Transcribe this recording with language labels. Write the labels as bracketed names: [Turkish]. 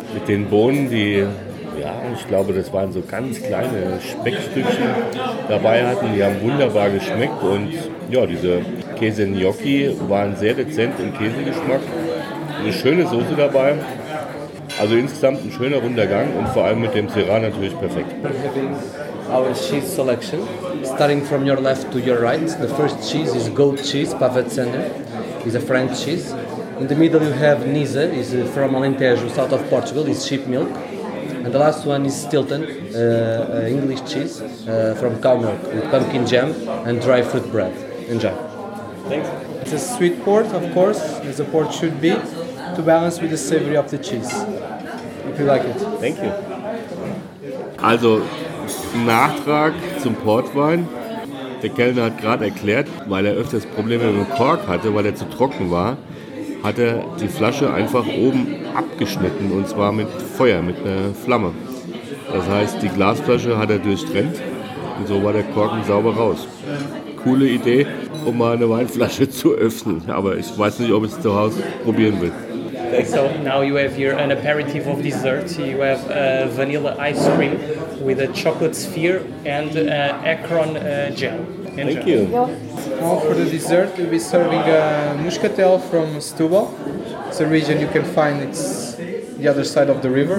[German] Mit den Bohnen, die, ja, ich glaube, das waren so ganz kleine Speckstückchen dabei hatten, die haben wunderbar geschmeckt. Und ja, diese Käse-Gnocchi waren sehr dezent im Käsegeschmack. Eine schöne Soße dabei. Also insgesamt ein schöner Rundergang und vor allem mit dem Serrat natürlich perfekt. [English] Our cheese selection, starting from your left to your right. The first cheese is goat cheese, Pavetzene, is a French cheese. In the middle you have Nisa, is from Alentejo, south of Portugal, is sheep milk. And the last one is Stilton, English cheese, from cow milk, with pumpkin jam and dry fruit bread. Enjoy. Thanks. It's a sweet port, of course, as a port should be, to balance with the savory of the cheese. Hope you like it. Thank you. [German] Also, Nachtrag zum Portwein. Der Kellner hat gerade erklärt, weil er öfters Probleme mit dem Kork hatte, weil er zu trocken war, hat er die Flasche einfach oben abgeschnitten und zwar mit Feuer, mit einer Flamme. Das heißt, die Glasflasche hat er durchtrennt und so war der Korken sauber raus. Coole Idee, um mal eine Weinflasche zu öffnen, aber ich weiß nicht, ob ich es zu Hause probieren will. [English] So now you have here an aperitif of dessert. You have vanilla ice cream with a chocolate sphere and Akron jam. Enjoy. Thank you. Now for the dessert, we'll be serving a muscatel from Setúbal. It's a region you can find. It's the other side of the river.